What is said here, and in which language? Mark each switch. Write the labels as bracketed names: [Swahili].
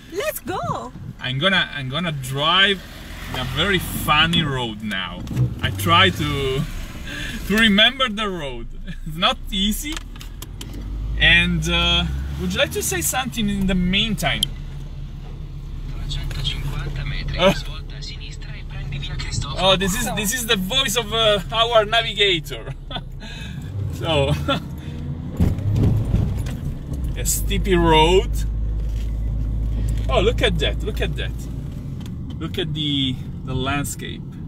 [English] Let's go. I'm gonna drive in a very funny road now. I try to remember the road. It's not easy. And would you like to say something in the meantime? [Italian] 350 metri, svolta a sinistra e prendi via Cristoforo. [English] Oh, this is the voice of our navigator. So a steepy road. Oh, look at that. Look at the landscape.